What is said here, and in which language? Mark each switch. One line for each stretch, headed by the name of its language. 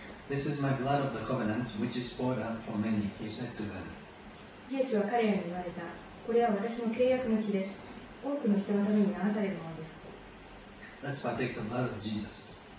English: This is my blood of the covenant, which is poured out for many, he said to them.
Japanese: イエスは彼らに言われた。これは私の契約の血です。多くの人のために流されるものです。
English: Let's partake the blood of Jesus.